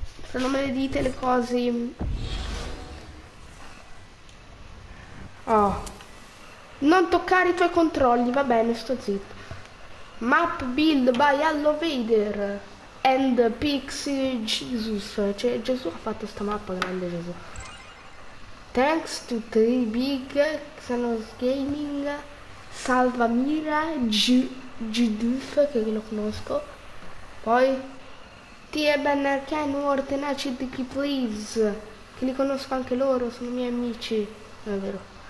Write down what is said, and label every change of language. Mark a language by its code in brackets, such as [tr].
[it] Non me le dite le cose. Oh. Non toccare i tuoi controlli, va bene, sto zitto. [en] Map build by Hello Vader and Pixie Jesus. [it] Cioè, Gesù ha fatto sta mappa, grande Gesù. [en] Thanks to three big [it] Xenos Gaming, Salva Mira, Gduf, che lo conosco. Poi Tieben Kenworth, Tenacity Please, che li conosco anche loro, sono miei amici, non è vero.